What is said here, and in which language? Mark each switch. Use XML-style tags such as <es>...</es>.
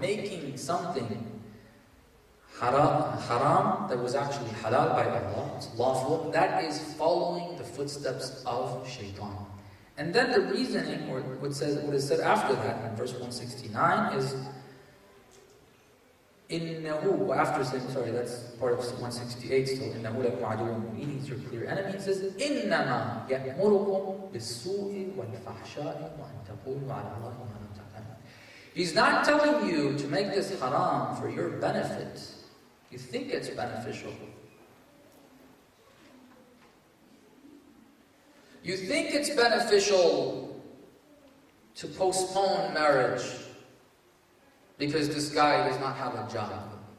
<en>Making something haram that was actually halal by Allah, it's lawful, that is following the footsteps of shaitan. And then the reasoning, or what is said after that in verse 169 is إِنَّهُ after saying, sorry, that's part of 168 still,</en> <ar>إِنَّهُ لَكُمْ عَدُوٌ مُّبِينٌ,</ar> <en>it's your clear enemy.</en> <ar>It says, إِنَّمَا يَأْمُرُكُمْ بِالسُّوءِ وَالْفَحْشَاءِ وَأَنْ تَقُولُوا عَلَى اللَّهِ مَا لَا تَعْلَمُونَ.</ar> <en>He's not telling you to make this haram for your benefit. You think it's beneficial. You think it's beneficial to postpone marriage because this guy does not have a job.</en>